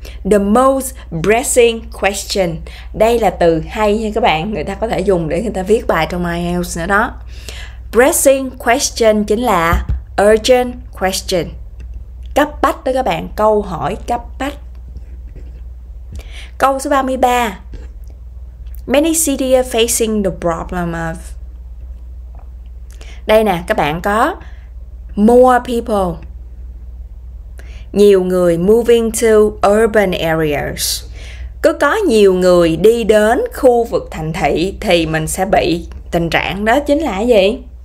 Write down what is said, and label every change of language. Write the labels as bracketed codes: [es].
[en] The most pressing question. [vi] Đây là từ hay nha các bạn. Người ta có thể dùng để người ta viết bài trong IELTS nữa đó. Pressing question chính là urgent question. Cấp bách đó các bạn, câu hỏi cấp bách. Câu số 33. [en] Many cities are facing the problem of. [vi] Đây nè, các bạn có [en] more people. [vi] Nhiều người [en] moving to urban areas. [vi] Cứ có nhiều người đi đến khu vực thành thị thì mình sẽ bị tình trạng đó chính là gì?